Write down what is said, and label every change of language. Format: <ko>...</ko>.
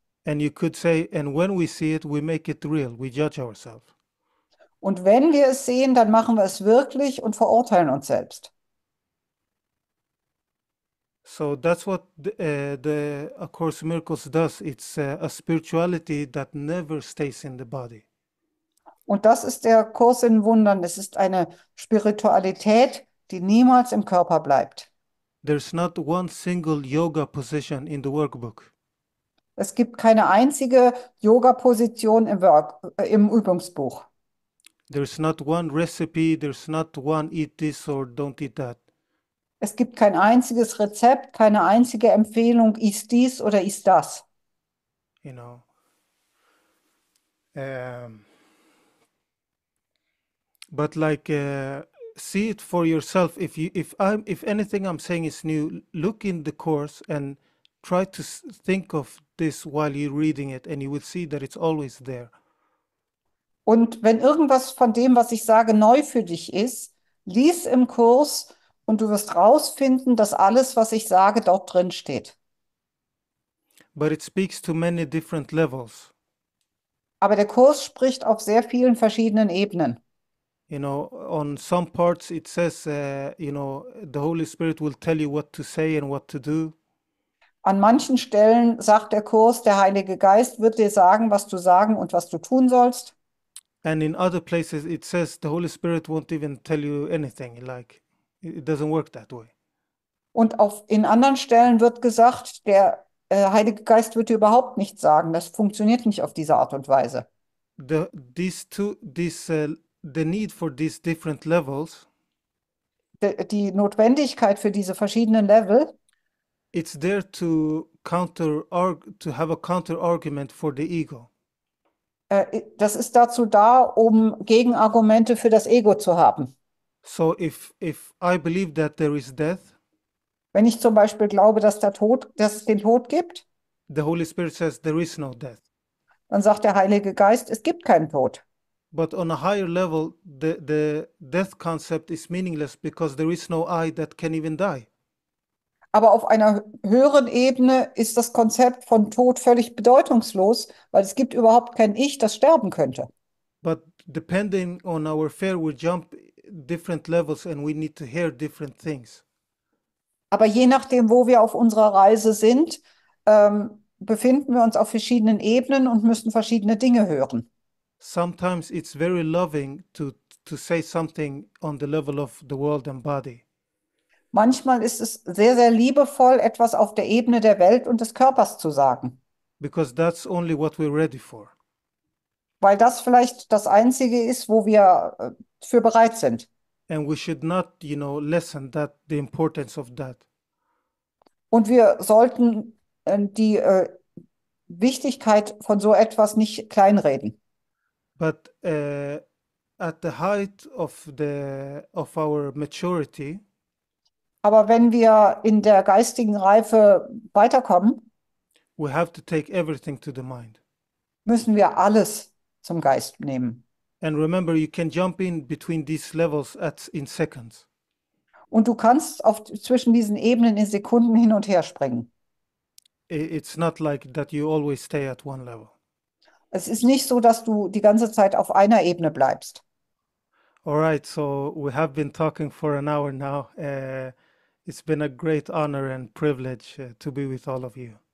<en>And you could say, and when we see it, we make it real, we judge ourselves.</en> <de>Und wenn wir es sehen, dann machen wir es wirklich und verurteilen uns selbst.</de> <en>So that's what the A Course in Miracles does. It's a spirituality that never stays in the body.</en> <de>Und das ist der Kurs in Wundern. Es ist eine Spiritualität, die niemals im Körper bleibt.</de> <en>There's not one single yoga position in the workbook.</en> <de>Es gibt keine einzige Yoga-Position im Übungsbuch.</de> <en>There's not one recipe, there's not one eat this or don't eat that.</en> <de>Es gibt kein einziges Rezept, keine einzige Empfehlung, iss dies oder iss das.</de> <en>You know. But like see it for yourself. If anything I'm saying is new, look in the course and try to think of this while you're reading it, and you will see that it's always there.</en> <de>Und wenn irgendwas von dem, was ich sage, neu für dich ist, Lies im Kurs und du wirst rausfinden, dass alles, was ich sage, dort drin steht.</de> <en>But it speaks to many different levels.</en> <de>Aber der Kurs spricht auf sehr vielen verschiedenen Ebenen.</de> <en>You know, on some parts it says, you know, the Holy Spirit will tell you what to say and what to do.</en> <de>An manchen Stellen sagt der Kurs, der Heilige Geist wird dir sagen, was du sagen und was du tun sollst.</de> <en>And in other places it says the Holy Spirit won't even tell you anything, like it doesn't work that way.</en> <de>Und auf, in anderen Stellen wird gesagt, der Heilige Geist wird dir überhaupt nichts sagen. Das funktioniert nicht auf diese Art und Weise.</de> <en>The need for these different levels,</en> <de>Die Notwendigkeit für diese verschiedenen Level,</de> <en>it's there to counter to have a counter argument for the ego.</en> <de>Das ist dazu da, um Gegenargumente für das Ego zu haben.</de> <en>So if I believe that there is death,</en> <de>wenn ich zum Beispiel glaube, dass der Tod, dass es den Tod gibt,</de> <en>the Holy Spirit says there is no death.</en> <de>Dann sagt der Heilige Geist, es gibt keinen Tod.</de> <en>But on a higher level, the death concept is meaningless because there is no I that can even die.</en> <de>Aber auf einer höheren Ebene ist das Konzept von Tod völlig bedeutungslos, weil es gibt überhaupt kein Ich, das sterben könnte.</de> <en>But depending on our fear, we jump different levels and we need to hear different things.</en> <de>Aber je nachdem, wo wir auf unserer Reise sind, befinden wir uns auf verschiedenen Ebenen und müssen verschiedene Dinge hören.</de> <en>Sometimes it's very loving to say something on the level of the world and body.</en> <de>Manchmal ist es sehr, sehr liebevoll, etwas auf der Ebene der Welt und des Körpers zu sagen.</de> <en>Because that's only what we're ready for.</en> <de>Weil das vielleicht das Einzige ist, wo wir für bereit sind.</de> <en>And we should not, you know, lessen that, the importance of that.</en> <de>Und wir sollten die Wichtigkeit von so etwas nicht kleinreden.</de> <en>But at the height of the of our maturity,</en> <de>aber wenn wir in der geistigen Reife weiterkommen,</de> <en>we have to take everything to the mind.</en> <de>Müssen wir alles zum Geist nehmen.</de> <en>And remember, you can jump in between these levels in seconds.</en> <de>Und du kannst auf zwischen diesen Ebenen in Sekunden hin und her springen.</de> <en>It's not like that you always stay at one level.</en> <de>Es ist nicht so, dass du die ganze Zeit auf einer Ebene bleibst.</de> <en>All right, so we have been talking for an hour now. It's been a great honor and privilege to be with all of you.</en>